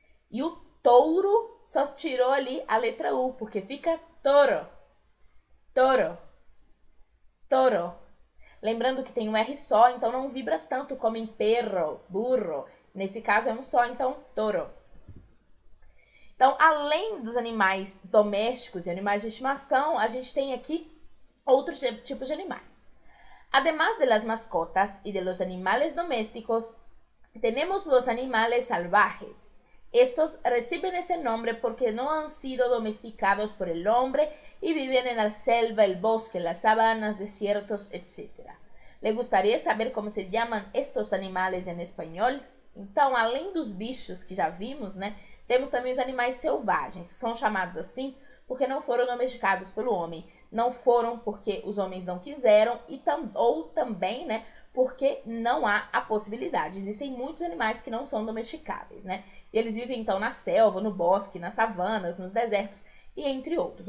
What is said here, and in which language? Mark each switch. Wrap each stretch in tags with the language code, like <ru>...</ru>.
<pt>E o touro só tirou ali a letra U, porque fica toro. Toro. Toro. Lembrando que tem um R só, então não vibra tanto como em perro, burro. Nesse caso é um só, então toro. Então, além dos animais domésticos e animais de estimação, a gente tem aqui outros tipos de animais.</pt> <es>Además de las mascotas y de los animales domésticos, tenemos los animales salvajes. Estos reciben ese nombre porque no han sido domesticados por el hombre y viven en la selva, el bosque, las sabanas, desiertos, etc. ¿Le gustaría saber cómo se llaman estos animales en español?</es> <pt>Então, além dos bichos que já vimos, né, temos também os animais selvagens, que são chamados assim porque não foram domesticados pelo homem. Não foram porque os homens não quiseram e tam ou também, né, porque não há a possibilidade. Existem muitos animais que não são domesticáveis, né? E eles vivem então na selva, no bosque, nas savanas, nos desertos e entre outros.</pt>